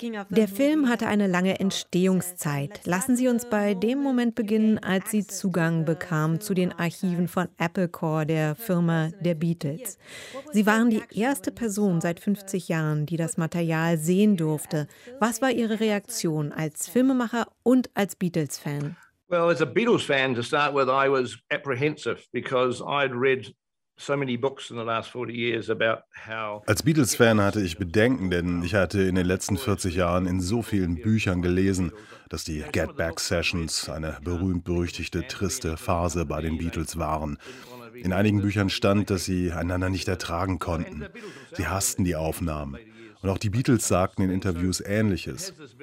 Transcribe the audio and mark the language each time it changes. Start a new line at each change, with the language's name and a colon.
German: Der Film hatte eine lange Entstehungszeit. Lassen Sie uns bei dem Moment beginnen, als sie Zugang bekam zu den Archiven von Applecore, der Firma der Beatles. Sie waren die erste Person seit 50 Jahren, die das Material sehen durfte. Was war Ihre Reaktion als Filmemacher und als Beatles-Fan?
English: Well, as a Beatles-Fan, to start with, I was apprehensive because I'd read so many books in the last 40 years about how.
German: Als Beatles-Fan hatte ich Bedenken, denn ich hatte in den letzten 40 Jahren in so vielen Büchern gelesen, dass die Get Back Sessions eine berühmt-berüchtigte, triste Phase bei den Beatles waren. In einigen Büchern stand, dass sie einander nicht ertragen konnten. Sie hassten die Aufnahmen. Und auch die Beatles sagten in Interviews Ähnliches.